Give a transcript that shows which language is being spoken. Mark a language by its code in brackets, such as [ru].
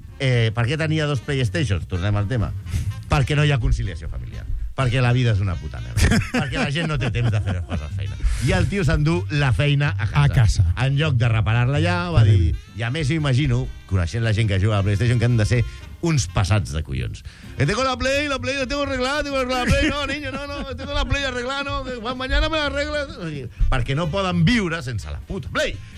[ca] Per què tenia dos PlayStations? Tornem al tema. Perquè no hi ha conciliació familiar. Perquè la vida és una puta merda. Perquè la gent no té temps de fer les coses feines. I el tio s'endú la feina a casa. A casa. En lloc de reparar-la allà, va a dir... I a més, imagino, coneixent la gent que juga a PlayStation, que han de ser uns passats de collons. [es] Tengo la Play, la tengo arreglada, tengo la Play, no, niño, no, no, tengo la Play arreglada, no, [ca] quan [es] mañana me la arregles... [ca] O sigui, perquè no poden viure sense la puta Play.